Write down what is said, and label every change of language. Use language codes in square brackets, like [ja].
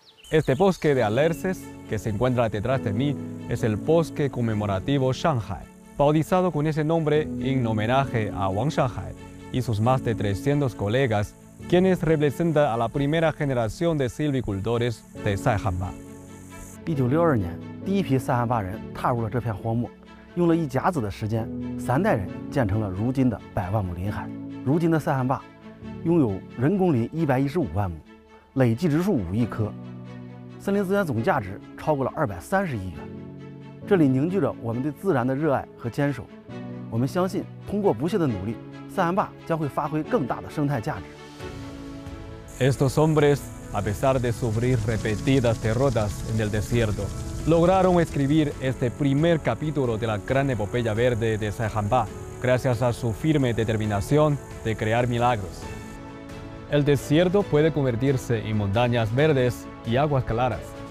[es] Este bosque de alerces que se encuentra detrás de mí es el Bosque Conmemorativo Shanghai, bautizado con ese nombre en homenaje a Wang Shanghai y sus más de 300 colegas, quienes representan a la primera generación de silvicultores de Saihanba. [zh] 1962年, 第一批萨罕坝人踏入了这片荒漠，用了一甲子的时间，三代人建成了如今的百万亩林海。如今的萨罕坝拥有人工林115万亩，累计植树5亿棵，森林资源总价值超过了230亿元。这里凝聚着我们对自然的热爱和坚守。我们相信，通过不懈的努力，萨罕坝将会发挥更大的生态价值。 [es] Estos hombres, a pesar de sufrir repetidas derrotas en el desierto, lograron escribir este primer capítulo de la gran epopeya verde de Saihanba gracias a su firme determinación de crear milagros. El desierto puede convertirse en montañas verdes y aguas claras.